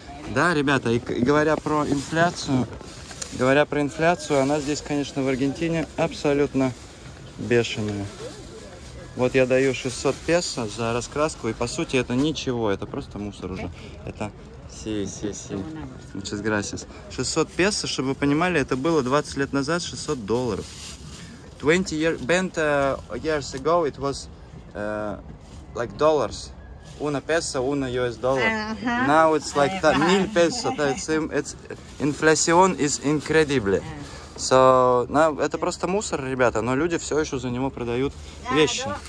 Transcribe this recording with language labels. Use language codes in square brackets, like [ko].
[ru] Да, ребята, и говоря про инфляцию, она здесь, конечно, в Аргентине абсолютно бешеные. Вот я даю 600 песо за раскраску, и по сути это ничего, это просто мусор уже. Это [es] Си. Muchas gracias. [ru] 600 песо, чтобы вы понимали, это было 20 лет назад, $600. [en] 20 years ago it was like dollars. [es] Una peso, una US dollar. Uh-huh. [en] Now it's like that, 1000 peso. It's inflation is incredible. [ru] So, на, это просто мусор, ребята, но люди все еще за него продают вещи.